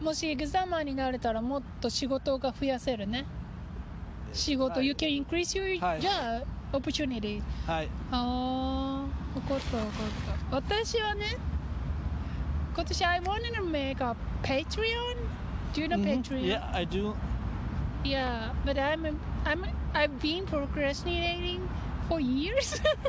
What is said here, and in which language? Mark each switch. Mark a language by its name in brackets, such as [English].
[Japanese] もしエグザマーになれたらもっと仕事が増やせるね。仕事、はい、 [English] you can increase your job opportunity. [Japanese] はい。ああ、分かった分かった。私はね、今年 [English] I wanted to make a Patreon. Do you know Patreon? Yeah, I do. Yeah, but I've been procrastinating. For years?